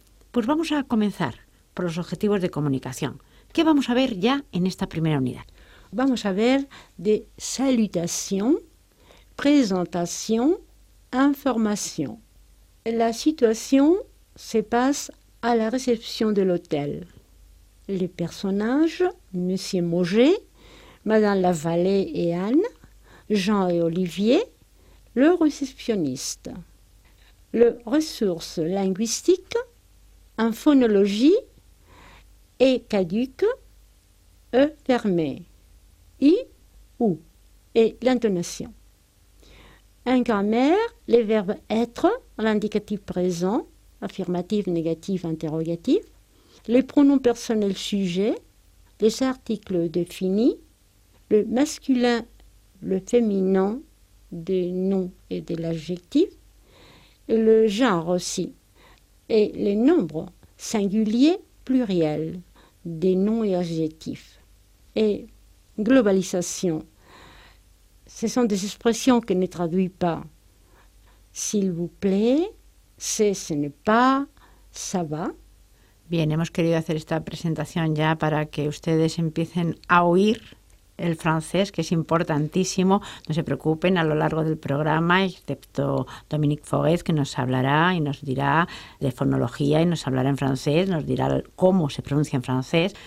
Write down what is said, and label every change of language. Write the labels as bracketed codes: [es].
[es] Pues vamos a comenzar por los objetivos de comunicación. ¿Qué vamos a ver ya en esta primera unidad? Vamos a ver de salutación, presentación, información. La situación se pasa a la recepción del hotel. [fr] Les personnages, Monsieur Moget, Madame Lavallée et Anne, Jean et Olivier, le réceptionniste. Le ressource linguistique, en phonologie, et caduque, e fermé, i, ou, et l'intonation. En grammaire, les verbes être, l'indicatif présent, affirmatif, négatif, interrogatif, les pronoms personnels sujet, les articles définis, le masculin, le féminin, des noms et de l'adjectif, le genre aussi, et les nombres singuliers, pluriels, des noms et adjectifs. Et globalisation, ce sont des expressions que ne traduit pas. S'il vous plaît, c'est, ce n'est pas, ça va. [es] Bien, hemos querido hacer esta presentación ya para que ustedes empiecen a oír el francés, que es importantísimo. No se preocupen, a lo largo del programa, excepto Dominique Forest, que nos hablará y nos dirá de fonología y nos hablará en francés, nos dirá cómo se pronuncia en francés.